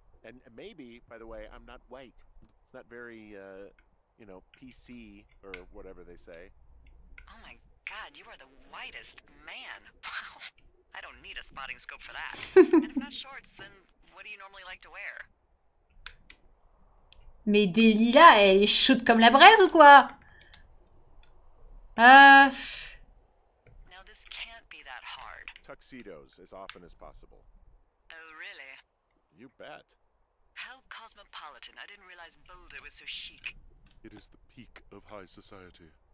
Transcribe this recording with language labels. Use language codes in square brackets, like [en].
[en] And maybe, by the way, I'm not white. It's not very, you know, PC or whatever they say. Oh my god, you are the whitest man. Wow, I don't need a spotting scope for that. And if not shorts, then what do you normally like to wear? [fr] Mais Delilah, elle est chaude comme la braise ou quoi? [en] Now this can't be that hard. Tuxedos, as often as possible. Oh really? You bet. How cosmopolitan. I didn't realize Boulder was so chic. It is the peak of high society.